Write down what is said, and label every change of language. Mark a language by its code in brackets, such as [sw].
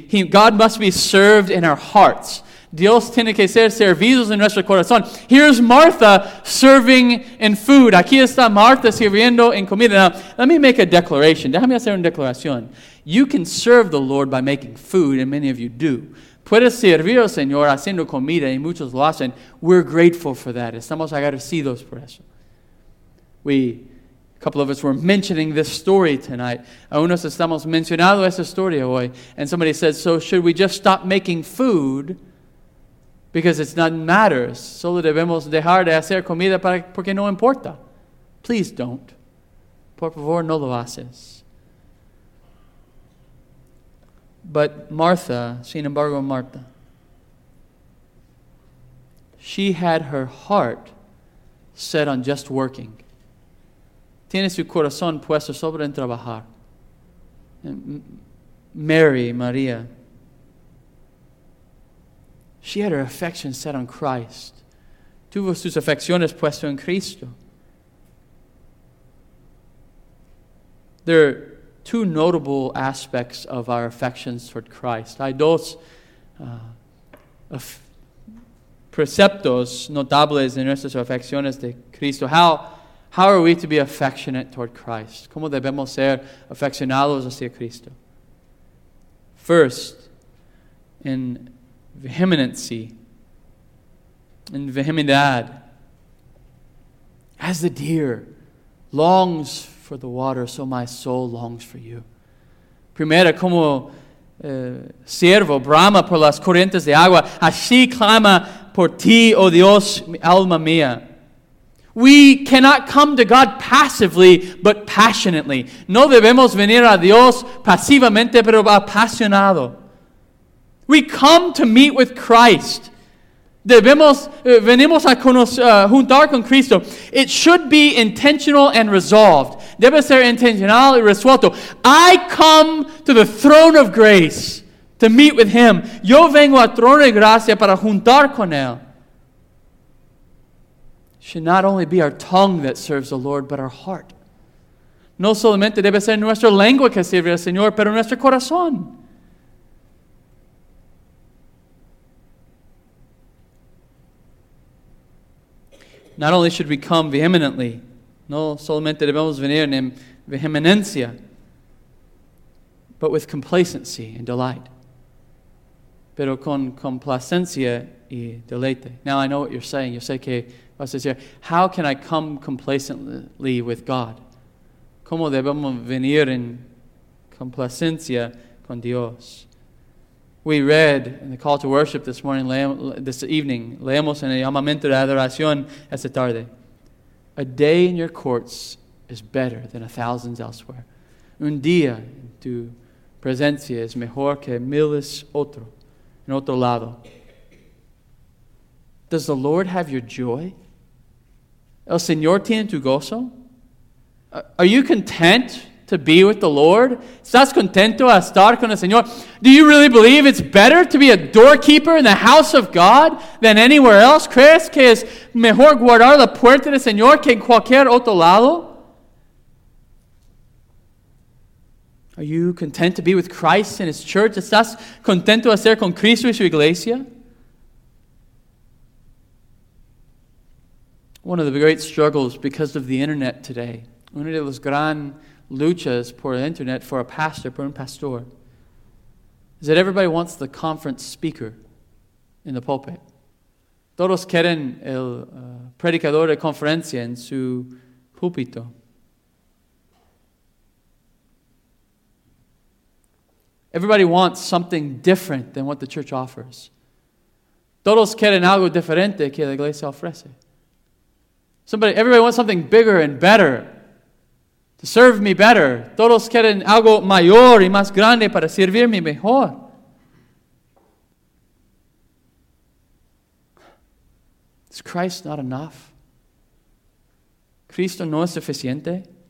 [en] God must be served in our hearts. [es] Dios tiene que ser servidos en nuestro corazón. [en] Here's Martha serving in food. [es] Aquí está Martha sirviendo en comida. [en] Now, let me make a declaration. [es] Déjame hacer una declaración. [en] You can serve the Lord by making food, and many of you do. [es] Puedes servir al Señor haciendo comida, y muchos lo hacen. [en] We're grateful for that. [es] Estamos agradecidos por eso. [en] A couple of us were mentioning this story tonight. [es] Unos estamos mencionando esa historia hoy. [en] And somebody said, so should we just stop making food? Because it's not matters. [es] Solo debemos dejar de hacer comida porque no importa. [en] Please don't. [es] Por favor, no lo haces. [en] But Martha, [es] sin embargo, [en] Martha, she had her heart set on just working. [es] Tiene su corazón puesto sobre en trabajar. [en] Mary, María, she had her affection set on Christ. [es] Tuvo sus afecciones puesto en Cristo. [en] There are two notable aspects of our affections toward Christ. [es] Hay dos preceptos notables en nuestras afecciones de Cristo. [en] How are we to be affectionate toward Christ? [es] ¿Cómo debemos ser afeccionados hacia Cristo? [en] First, in vehemency, in vehemidad, as the deer longs for the water, so my soul longs for you. [es] Primera, como siervo, brama por las corrientes de agua, así clama por ti, oh Dios, alma mía. [en] We cannot come to God passively, but passionately. [es] No debemos venir a Dios pasivamente, pero apasionado. [en] We come to meet with Christ. [es] Venimos a juntar con Cristo. [en] It should be intentional and resolved. [es] Debe ser intencional y resuelto. [en] I come to the throne of grace to meet with Him. [es] Yo vengo al trono de gracia para juntar con Él. [en] Should not only be our tongue that serves the Lord, but our heart. [es] No solamente debe ser nuestra lengua que sirve al Señor, pero nuestro corazón. [en] Not only should we come vehemently, [es] no solamente debemos venir en vehemencia, [en] but with complacency and delight. [es] Pero con complacencia y deleite. [en] Now I know what you're saying. You say [es] que vas a decir, [en] how can I come complacently with God? [es] ¿Cómo debemos venir en complacencia con Dios? [en] we read in the call to worship this morning, this evening, [es] leemos en el llamamiento de adoración esta tarde, [en] a day in your courts is better than 1,000 elsewhere. [es] Un día en tu presencia es mejor que miles otro, en otro lado. [en] Does the Lord have your joy? [es] El Señor tiene tu gozo? [en] Are you content to be with the Lord? [es] ¿Estás contento a estar con el Señor? [en] Do you really believe it's better to be a doorkeeper in the house of God than anywhere else? [es] ¿Crees que es mejor guardar la puerta del Señor que en cualquier otro lado? [en] Are you content to be with Christ and His church? [es] ¿Estás contento a ser con Cristo y su iglesia? [en] One of the great struggles because of the internet today, [es] una de las gran luchas por el internet [en] for a pastor, [es] por un pastor, [en] is that everybody wants the conference speaker in the pulpit. [es] Todos quieren el predicador de conferencia en su púlpito. [en] Everybody wants something different than what the church offers. [es] Todos quieren algo diferente que la iglesia ofrece. [en] Everybody wants something bigger and better to serve me better. [es] Todos quieren algo mayor y más grande para servirme mejor. [en] Is Christ not enough? [es] ¿Cristo no es suficiente?